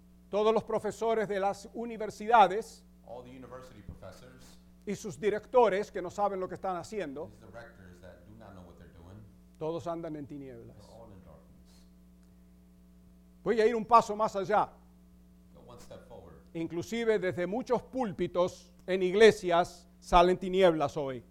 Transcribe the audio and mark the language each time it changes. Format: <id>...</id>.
<es>Todos los profesores de las universidades.</es> <en>All the university professors.</en> <es>Y sus directores que no saben lo que están haciendo.</es> <en>His directors that do not know what they're doing.</en> <es>Todos andan en tinieblas.</es> <en>They're all in darkness.</en> <es>Voy a ir un paso más allá.</es> <en>Go one step forward.</en> <es>Inclusive desde muchos púlpitos en iglesias salen tinieblas hoy.</es>